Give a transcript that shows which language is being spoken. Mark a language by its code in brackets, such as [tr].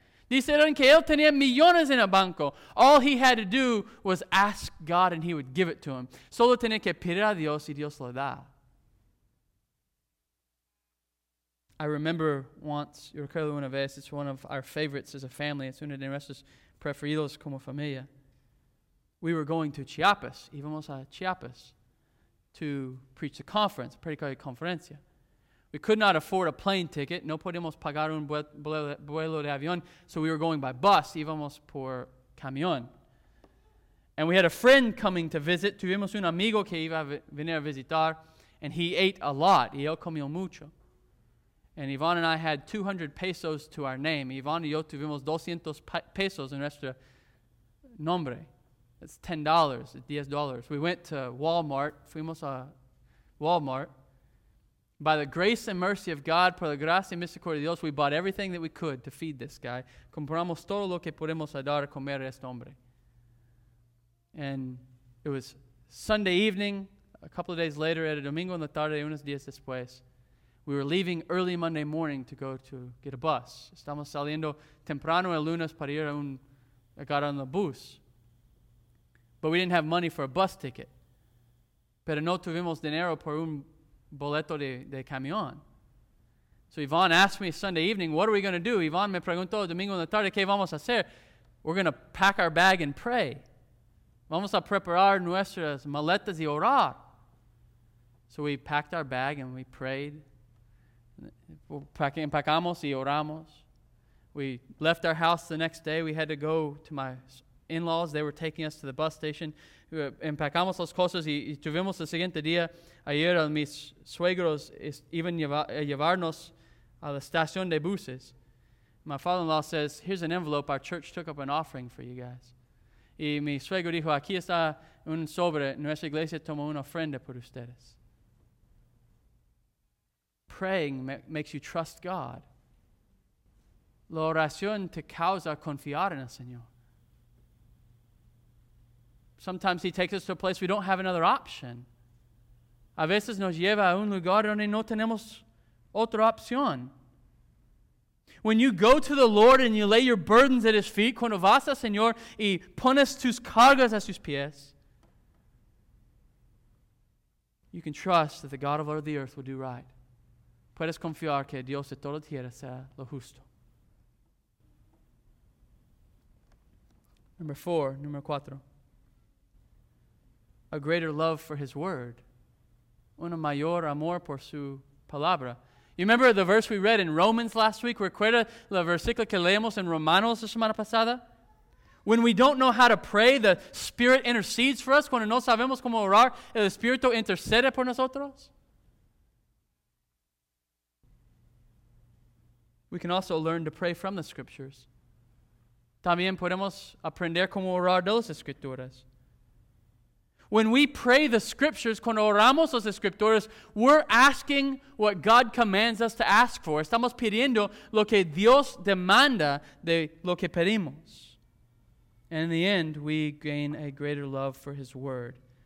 [es] Dicen que él tenía millones en el banco. [en] All he had to do was ask God and He would give it to him. [es] Solo tenía que pedir a Dios y Dios lo da. [en] I remember once, [es] yo recuerdo una vez, [en] it's one of our favorites as a family, it's [es] uno de nuestros preferidos como familia. [en] We were going to Chiapas, [es] íbamos a Chiapas, [en] to preach a conference, [es] predicar a conferencia. [en] We could not afford a plane ticket, [es] no podíamos pagar un vuelo de avión, [en] so we were going by bus, [es] íbamos por camión. [en] And we had a friend coming to visit, [es] tuvimos un amigo que iba a venir a visitar, [en] And he ate a lot. [es] Y él comió mucho. [en] And Ivan and I had 200 pesos to our name. [es] Ivan y yo tuvimos 200 pesos en nuestro nombre. [en] It's $10, $10. We went to Walmart. [es] Fuimos a Walmart. [en] By the grace and mercy of God, [es] por la gracia y misericordia de Dios, [en] we bought everything that we could to feed this guy. [es] Compramos todo lo que podemos dar a comer a este hombre. [en] And it was Sunday evening, a couple of days later, [es] era domingo en la tarde, unos días después. [en] We were leaving early Monday morning to go to get a bus. [es] Estamos saliendo temprano el lunes para ir a un agarrar un bus. [en] But we didn't have money for a bus ticket. [es] Pero no tuvimos dinero por un boleto de camión. [en] So Ivan asked me Sunday evening, what are we going to do? [es] Ivan me preguntó domingo en la tarde, ¿qué vamos a hacer? [en] We're going to pack our bag and pray. [es] Vamos a preparar nuestras maletas y orar. [en] So we packed our bag and we prayed. [es] Empacamos y oramos. [en] We left our house the next day. We had to go to my in-laws. They were taking us to the bus station. [es] Empacamos las cosas y tuvimos el siguiente día ayer a mis suegros iban a llevarnos a la estación de buses. [en] My father-in-law says, here's an envelope. Our church took up an offering for you guys. [es] Y mi suegro dijo, aquí está un sobre. Nuestra iglesia tomó una ofrenda por ustedes. [en] Praying makes you trust God. [es] La oración te causa confiar en el Señor. [en] Sometimes he takes us to a place we don't have another option. [es] A veces nos lleva a un lugar donde no tenemos otra opción. [en] When you go to the Lord and you lay your burdens at his feet, [es] cuando vas al Señor y pones tus cargas a sus pies, [en] you can trust that the God of all the earth will do right. [es] Puedes confiar que Dios de toda la tierra sea lo justo. Número cuatro. [en] A greater love for his word. [es] Un mayor amor por su palabra. [en] You remember the verse we read in Romans last week? [es] Recuerda la versículo que leemos en Romanos la semana pasada? [en] When we don't know how to pray, the Spirit intercedes for us. [es] Cuando no sabemos cómo orar, el Espíritu intercede por nosotros. [en] We can also learn to pray from the Scriptures. [es] También podemos aprender cómo orar de las Escrituras. [en] When we pray the Scriptures, [es] cuando oramos las Escrituras, [en] we're asking what God commands us to ask for. [es] Estamos pidiendo lo que Dios demanda de lo que pedimos. [en] And in the end, we gain a greater love for His Word.